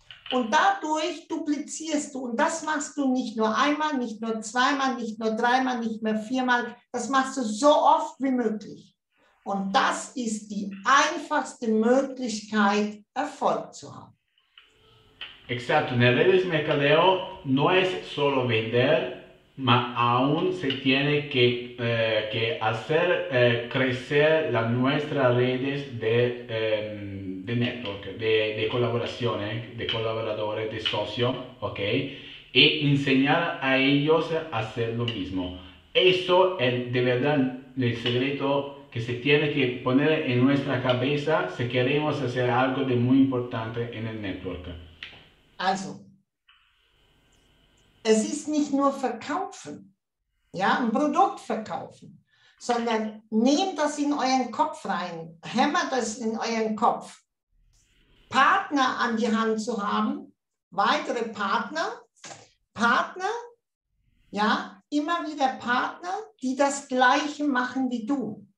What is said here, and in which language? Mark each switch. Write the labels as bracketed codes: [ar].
[de] Und dadurch duplizierst du. Und das machst du nicht nur einmal, nicht nur zweimal, nicht nur dreimal, nicht mehr viermal. Das machst du so oft wie möglich. Und das ist die einfachste Möglichkeit, Erfolg zu haben. [es] Exacto, en redes mercadeo no es solo vender, mas aún se tiene que hacer crecer las nuestras redes de network, de colaboraciones, de colaboradores, de socios, ¿ok? E enseñar a ellos a hacer lo mismo. Eso es de verdad el secreto que se tiene que poner en nuestra cabeza si queremos hacer algo de muy importante en el network. [de] Also, es ist nicht nur verkaufen, ja, ein Produkt verkaufen, sondern nehmt das in euren Kopf rein, hämmert das in euren Kopf, Partner an die Hand zu haben, weitere Partner, Partner, ja, immer wieder Partner, die das Gleiche machen wie du.